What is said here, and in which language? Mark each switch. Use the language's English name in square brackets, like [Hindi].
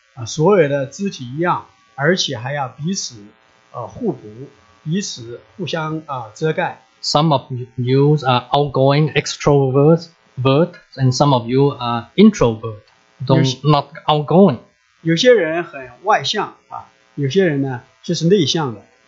[Chinese] 所以我们不仅不能够期望所有的肢体一样，而且还要彼此。互补，彼此互相遮盖。 [English] Some of you are outgoing extrovert, and some of you are introvert, not outgoing. [Chinese] 有些人很外向，有些人呢就是内向的。